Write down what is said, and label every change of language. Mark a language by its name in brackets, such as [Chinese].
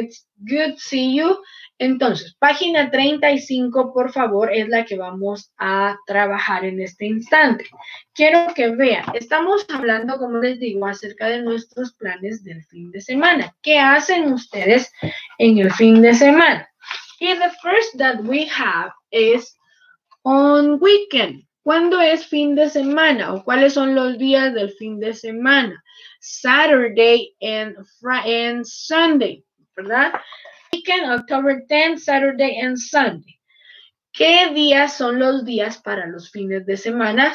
[English] It's good to see you. [Spanish] Entonces, página 35, por favor, es la que vamos a trabajar en este instante. Quiero que vean, estamos hablando, como les digo, acerca de nuestros planes del fin de semana. ¿Qué hacen ustedes en el fin de semana? [English] Y the first that we have is on weekend. [Spanish] ¿Cuándo es fin de semana o cuáles son los días del fin de semana? [English] Saturday and Sunday, ¿verdad? Weekend, October 10, Saturday and Sunday. [Spanish] ¿Qué días son los días para los fines de semana?